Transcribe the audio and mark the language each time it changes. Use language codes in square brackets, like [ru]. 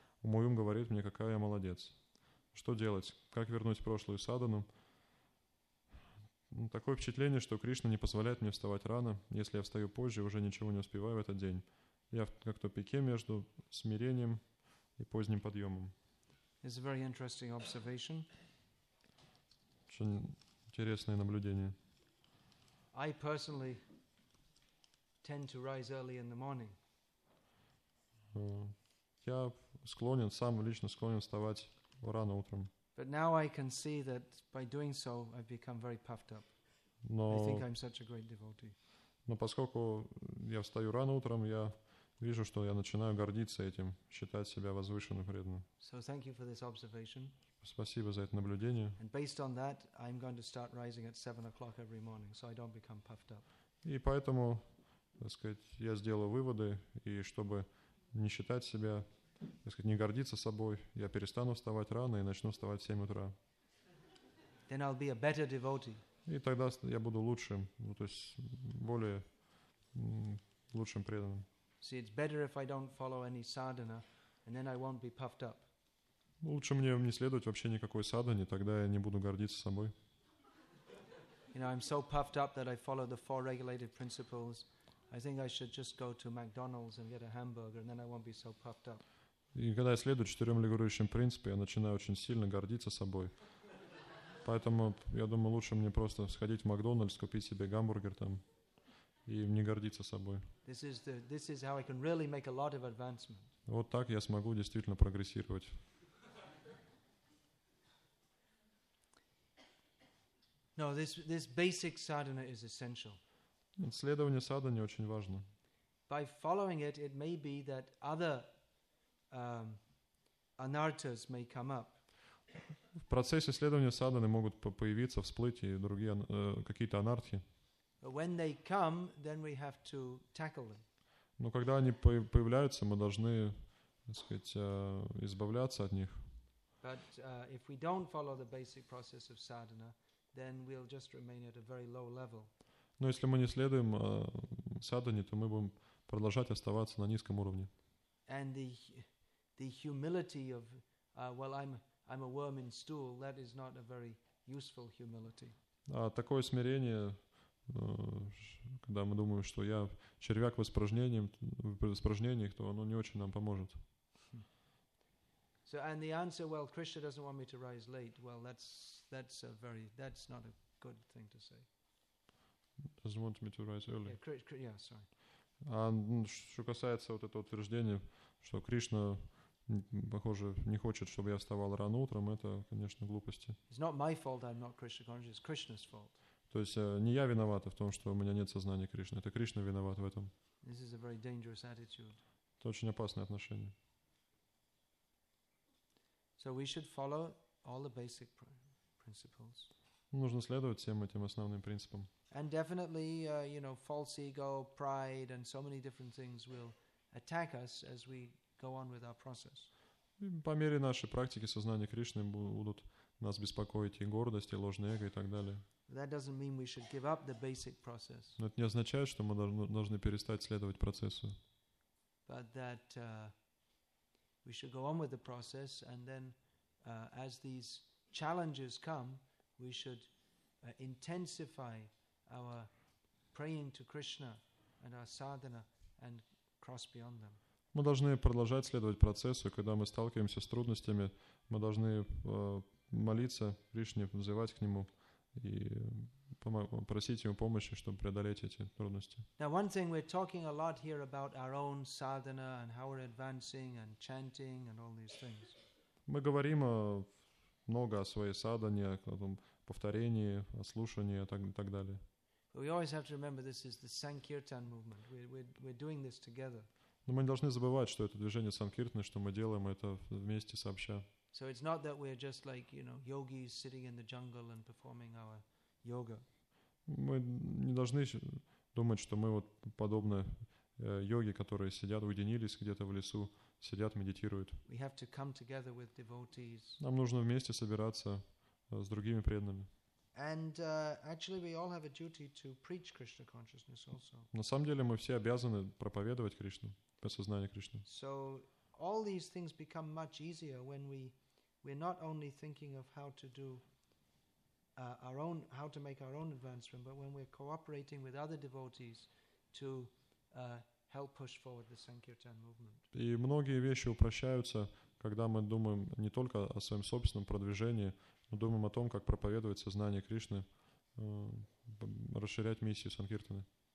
[ru] Мой ум говорит мне, какая я молодец. Что делать? Как вернуть прошлую садхану? Такое впечатление, что Кришна не позволяет мне вставать рано. Если я встаю позже, уже ничего не успеваю в этот день. Я как в тупике между смирением и поздним подъемом. [en] It's a very interesting observation. [ru] Очень интересное наблюдение. [en] I personally tend to rise early in the morning. [ru] Я склонен, сам лично склонен вставать рано утром. [en] But now I can see that by doing so I've become very puffed up. [ru] Но, [en] I think I'm such a great devotee. [ru] Но поскольку я встаю рано утром, я вижу, что я начинаю гордиться этим, считать себя возвышенным преданным. [en] So thank you for this observation. [ru] Спасибо за это наблюдение. [en] And based on that, I'm going to start rising at 7 o'clock every morning, so I don't become puffed up. [ru] И поэтому, так сказать, я сделаю выводы, и чтобы не считать себя, так сказать, не гордиться собой, я перестану вставать рано и начну вставать в 7 утра. [en] Then I'll be a better devotee. [ru] И тогда я буду лучшим, ну, то есть более лучшим преданным. [en] See, it's better if I don't follow any sadhana, and then I won't be puffed up. [ru] Лучше мне не следовать вообще никакой садхане, тогда я не буду гордиться собой. [en] You know, I'm so puffed up that I follow the four regulated principles. I think I should just go to McDonald's and get a hamburger, and then I won't be so puffed up. [ru] И когда я следую четырем регулирующим принципам, я начинаю очень сильно гордиться собой. Поэтому я думаю, лучше мне просто сходить в Макдональдс, купить себе гамбургер там. И не гордиться собой. [en] This is how I can really make a lot of advancement. [ru] Вот так я смогу действительно прогрессировать. [en] No, this basic sadhana is essential. [ru] Следование садхане очень важно. [en] By following it, it may be that other anarthas may come up. [ru] В процессе следования садханы могут появиться, всплыть и другие какие-то анартхи. [en] When they come, then we have to tackle them. [ru] Но когда они появляются, мы должны, так сказать, избавляться от них. [en] But if we don't follow the basic process of sadhana, then we'll just remain at a very low level. [ru] Но если мы не следуем садхане, то мы будем продолжать оставаться на низком уровне. [en] And the humility of I'm a worm in stool, that is not a very useful humility. [ru] А такое смирение, когда мы думаем, что я червяк в испражнениях, то оно не очень нам поможет. [en] So, and the answer, well, Krishna doesn't want me to rise late. Well, that's not a good thing to say. Doesn't want me to rise early. Yeah, sorry. [ru] А что касается вот этого утверждения, что Кришна похоже, не хочет, чтобы я вставал рано утром, это, конечно, глупости. [en] It's not my fault I'm not Krishna conscious, it's Krishna's fault. [ru] То есть не я виноват в том, что у меня нет сознания Кришны, это Кришна виноват в этом. [en] This is a very dangerous attitude. [ru] Это очень опасное отношение. [en] So we should follow all the basic principles. [ru] Нужно следовать всем этим основным принципам. [en] And definitely, you know, false ego, pride, and so many different things will attack us as we go on with our process. [ru] По мере нашей практики сознания Кришны будут нас беспокоить и гордость, и ложное эго, и так далее. [en] That doesn't mean we should give up the basic process. [ru] Но это не означает, что мы должны перестать следовать процессу. [en] But that we should go on with the process, and then as these challenges come, we should intensify our praying to Krishna and our sadhana and cross beyond them. [ru] Мы должны продолжать следовать процессу, когда мы сталкиваемся с трудностями, мы должны молиться Кришне, взывать к Нему и просить Ему помощи, чтобы преодолеть эти трудности. [en] Now one thing, we're talking a lot here about our own sadhana and how we're advancing and chanting and all these things. [ru] Мы говорим много о своей садхане, о том повторении, о слушании и так далее. [en] But we always have to remember this is the Sankirtan movement. We're doing this together. [ru] Но мы не должны забывать, что это движение Санкиртны, что мы делаем это вместе, сообща. [en] So it's not that we're just like, you know, yogis sitting in the jungle and performing our yoga. [ru] Мы не должны думать, что мы вот подобно йоги, которые сидят, уединились где-то в лесу, сидят, медитируют. [en] We have to come together with devotees. [ru] Нам нужно вместе собираться с другими преданными. [en] And actually we all have a duty to preach Krishna consciousness also. [ru] На самом деле мы все обязаны проповедовать Кришну, осознание Кришны. [en] So all these things become much easier when we're not only thinking of how to do our own, how to make our own advancement, but when we're cooperating with other devotees to help push forward the Sankirtan movement. [ru] И многие вещи упрощаются, когда мы думаем не только о своем собственном продвижении, но думаем о том, как проповедовать сознание Кришны, расширять миссию Санкиртаны.